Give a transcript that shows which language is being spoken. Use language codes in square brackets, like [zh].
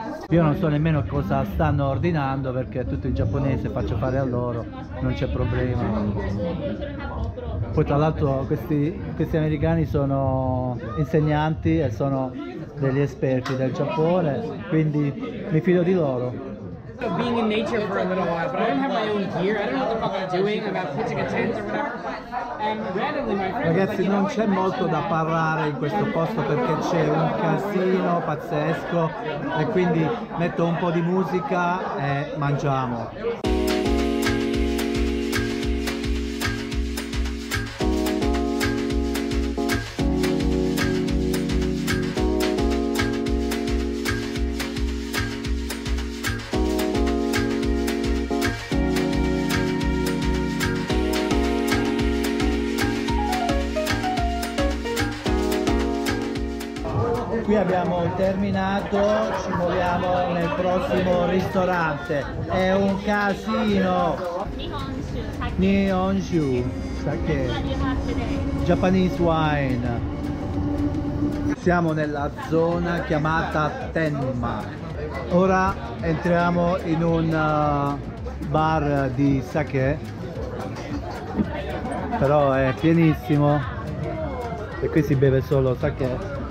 [it] Io non so nemmeno cosa stanno ordinando perché tutto in giapponese, faccio fare a loro, non c'è problema. Poi tra l'altro questi americani sono insegnanti e sono degli esperti del Giappone, quindi mi fido di loro. [en] Being in nature for a little while, but I don't have my own gear. I don't know what the fuck I'm doing about pitching a tent or whatever. And randomly, my friend. [it] Ragazzi, like, non c'è molto da parlare in questo posto perché c'è un casino pazzesco e quindi metto un po' di musica e mangiamo. Qui abbiamo terminato, ci muoviamo nel prossimo ristorante. È un casino! [en] Nihonshu, sake, Japanese wine. [it] Siamo nella zona chiamata Tenma. Ora entriamo in un bar di sake. Però è pienissimo. E qui si beve solo sake.